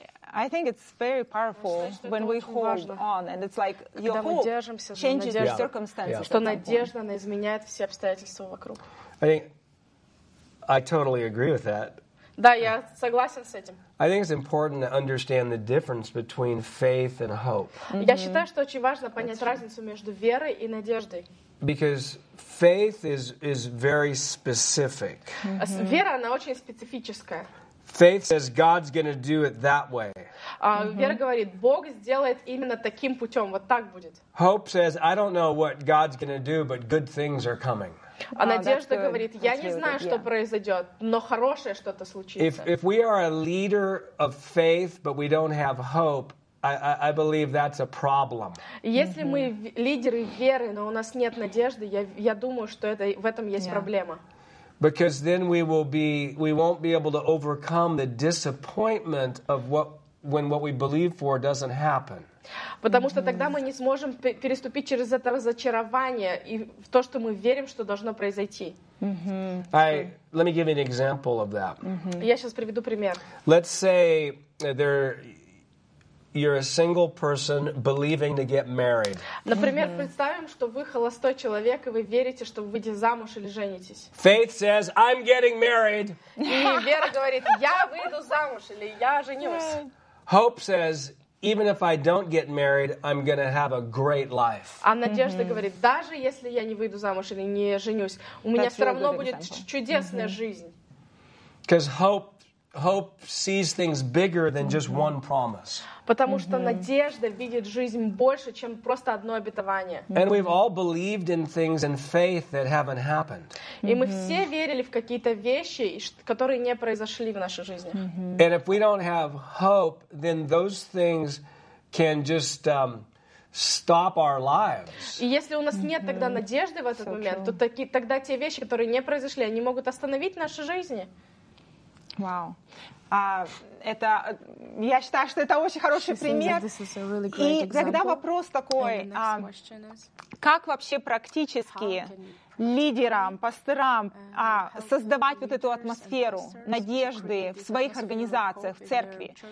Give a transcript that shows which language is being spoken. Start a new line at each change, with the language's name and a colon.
English: I think it's very powerful when we hold on, and it's like your hope changes your circumstances.
Russian: Что надежда она изменяет все обстоятельства вокруг.
English: I totally agree with that.
Russian: Да, я согласен с этим.
English: I think it's important to understand the difference between faith and hope.
Russian: Я считаю, что очень важно понять разницу между верой и надеждой.
English: Because faith is very specific.
Russian: Вера она очень специфическая.
English: Faith says God's going to do it that way.
Russian: Вера говорит, Бог сделает именно таким путем, вот так будет.
English: Hope says, I don't know what God's going to do, but good things are coming.
Russian: А надежда говорит, я не знаю, что произойдет, но хорошее что-то случится.
English: If we are a leader of faith, but we don't have hope, I believe that's a problem.
Russian: Если мы лидеры веры, но у нас нет надежды, я думаю, что это в этом есть проблема.
English: Because then we won't be able to overcome the disappointment of when what we believe for doesn't happen.
Russian: Потому что тогда мы не сможем переступить через это разочарование и в то, что мы верим, что должно произойти.
English: Let me give you an example of that.
Russian: Я сейчас приведу пример.
English: Let's say you're a single person believing to get married.
Russian: Например, представим, что вы холостой человек и вы верите, что вы выйдете замуж или женитесь.
English: Faith says, I'm getting married.
Russian: И вера говорит, я выйду замуж или я женюсь.
English: Hope says, even if I don't get married, I'm going to have a great life.
Russian: А надежда говорит, даже если я не выйду замуж или не женюсь, у меня все равно будет чудесная жизнь.
English: Because hope sees things bigger than just one promise.
Russian: Потому что надежда видит жизнь больше, чем просто одно обетование.
English: And we've all believed in things in faith that haven't happened.
Russian: И мы все верили в какие-то вещи, которые не произошли в нашей жизни.
English: And if we don't have hope, then those things can just stop our lives.
Russian: И если у нас нет тогда надежды в этот момент, то тогда те вещи, которые не произошли, они могут остановить наши жизни. Вау. Это, я считаю, что это очень хороший пример.
English: Really
Russian: и тогда вопрос такой, как вообще практически лидерам, пасторам создавать вот эту атмосферу надежды в своих организациях, в церкви?